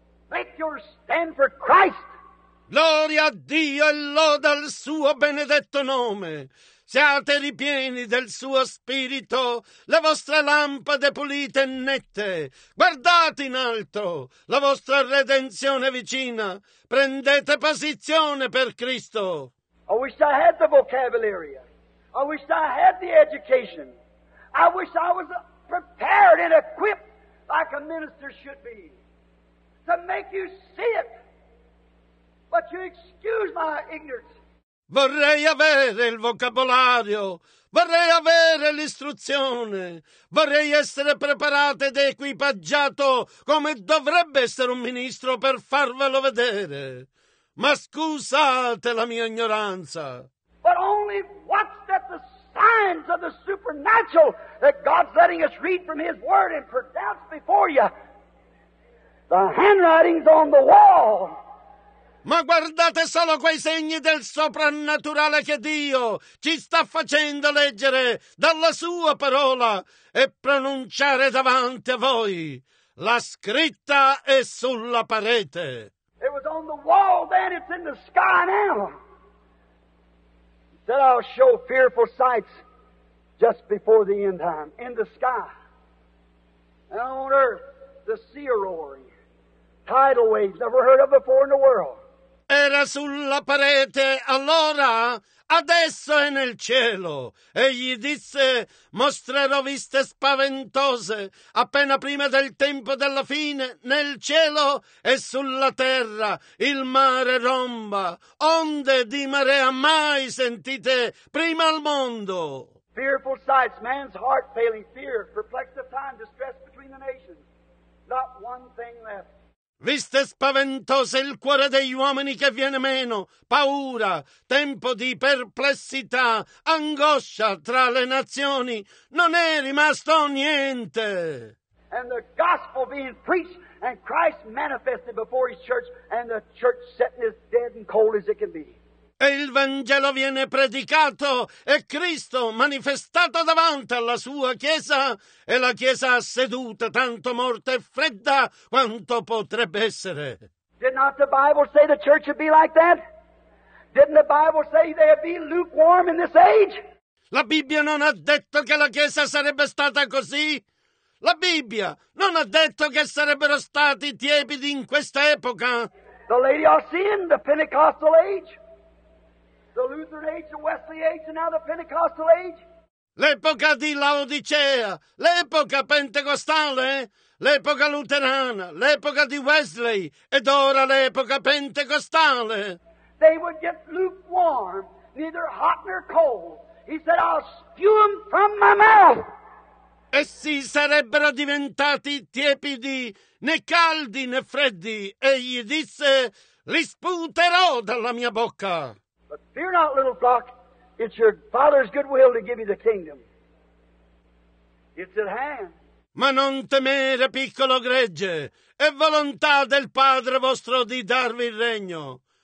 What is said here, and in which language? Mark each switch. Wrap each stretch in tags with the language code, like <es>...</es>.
<en>Make your stand for Christ.</en> <it>Gloria a Dio e loda al suo benedetto nome. Siate ripieni del suo spirito, le vostre lampade pulite e nette. Guardate in alto, la vostra redenzione vicina. Prendete posizione per Cristo.</it> <en>I wish I had the vocabulary. I wish I had the education. I wish I was prepared and equipped like a minister should be, to make you see it. But you excuse my ignorance.</en> <it>Vorrei avere il vocabolario, vorrei avere l'istruzione, vorrei essere preparato ed equipaggiato come dovrebbe essere un ministro per farvelo vedere. Ma scusate la mia ignoranza.</it> <en>But only watch at the signs of the supernatural that God's letting us read from His Word and pronounce before you. The handwriting's on the wall.</en> <it>Ma guardate solo quei segni del soprannaturale che Dio ci sta facendo leggere dalla Sua parola e pronunciare davanti a voi. La scritta è sulla parete.</it> <en>It was on the wall then, it's in the sky now. That I'll show fearful sights just before the end time, in the sky. And on earth, the sea roaring, tidal waves never heard of before in the world.</en> <it>era sulla parete allora, adesso è nel cielo. Egli disse: mostrerò viste spaventose appena prima del tempo della fine, nel cielo e sulla terra. Il mare romba, onde di marea mai sentite prima al mondo.</it> <en>Fearful sights, man's heart failing fear, perplexed of time, distress between the nations. Not one thing left.</en> <it>Viste spaventose, il cuore degli uomini che viene meno, paura, tempo di perplessità, angoscia tra le nazioni, non è rimasto niente.</it> <en>And the gospel being preached and Christ manifested before his church and the church sitting as dead and cold as it can be.</en> <it>E il Vangelo viene predicato e Cristo manifestato davanti alla sua Chiesa e la Chiesa seduta, tanto morta e fredda quanto potrebbe essere.</it> <en>Did not the Bible say the church would be like that? Didn't the Bible say they would be lukewarm in this age?</en> <it>La Bibbia non ha detto che la Chiesa sarebbe stata così? La Bibbia non ha detto che sarebbero stati tiepidi in questa epoca?</it> <en>The Lady of Sin, the Pentecostal age? The Lutheran age, the Wesley age, and now the Pentecostal age?</en> <it>L'epoca di Laodicea, l'epoca pentecostale, l'epoca luterana, l'epoca di Wesley, ed ora l'epoca pentecostale.</it> <en>They would get lukewarm, neither hot nor cold. He said, I'll spew them from my mouth.</en> <it>Essi sarebbero diventati tiepidi, né caldi né freddi. Egli disse, li sputerò dalla mia bocca.</it> <en>But fear not, little flock, it's your Father's good will to give you the kingdom. It's at hand.</en> <it>Ma non temere, piccolo gregge, è volontà del Padre vostro di darvi il regno.</it>